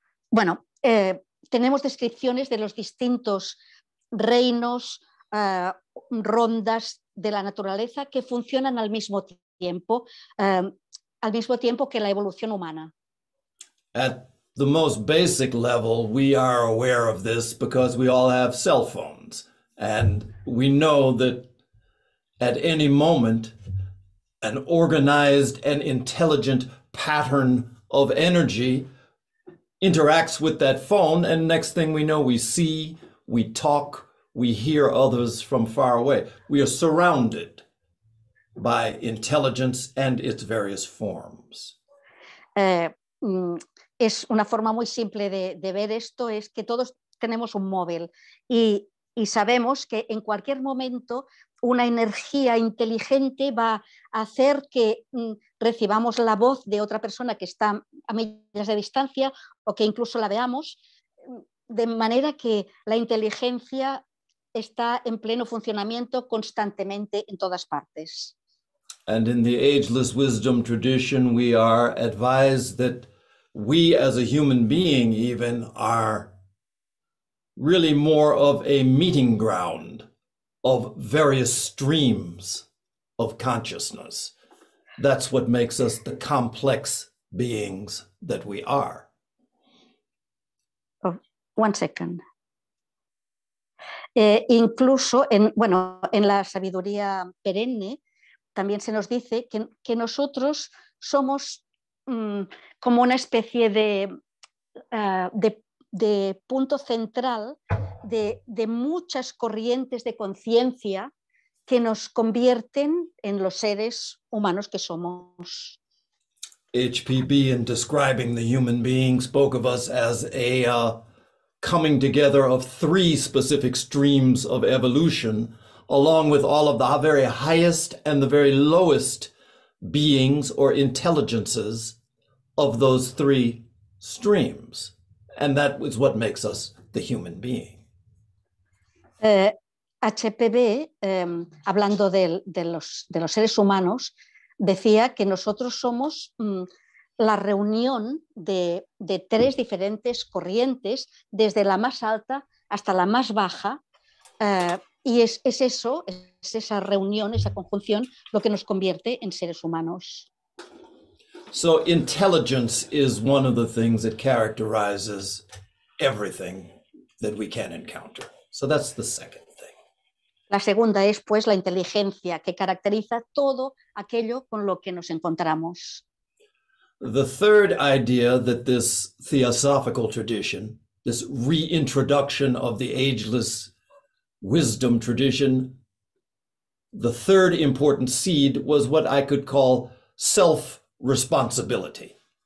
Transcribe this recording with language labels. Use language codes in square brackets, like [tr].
[es] Bueno, tenemos descripciones de los distintos reinos, rondas de la naturaleza que funcionan al mismo tiempo que la evolución humana. [en] At the most basic level, we are aware of this because we all have cell phones, and we know that at any moment, an organized and intelligent pattern of energy interacts with that phone, and next thing we know, we see, we talk, we hear others from far away. We are surrounded by intelligence and its various forms. [es] Es una forma muy simple de ver esto, es que todos tenemos un móvil y sabemos que en cualquier momento una energía inteligente va a hacer que recibamos la voz de otra persona que está a millas de distancia o que incluso la veamos, de manera que la inteligencia está en pleno funcionamiento constantemente en todas partes. [en] And in the ageless wisdom tradition, we are advised that we as a human being even are really more of a meeting ground of various streams of consciousness. That's what makes us the complex beings that we are. Oh, one second. [es] Incluso en, bueno, en la sabiduría perenne también se nos dice que nosotros somos como una especie de punto central de muchas corrientes de conciencia que nos convierten en los seres humanos que somos. [en] HPB, in describing the human being, spoke of us as a coming together of three specific streams of evolution, along with all of the very highest and the very lowest beings or intelligences of those three streams. And that is what makes us the human being. [es] HPB, hablando de los seres humanos, decía que nosotros somos la reunión de tres diferentes corrientes, desde la más alta hasta la más baja, y es eso, es esa reunión, esa conjunción, lo que nos convierte en seres humanos. [en] So intelligence is one of the things that characterizes everything that we can encounter. So that's the second. [es] La segunda es, pues, la inteligencia que caracteriza todo aquello con lo que nos encontramos. [en] The third idea that this theosophical tradition, this reintroduction of the ageless wisdom tradition, the third important seed was what I could call self-responsibility.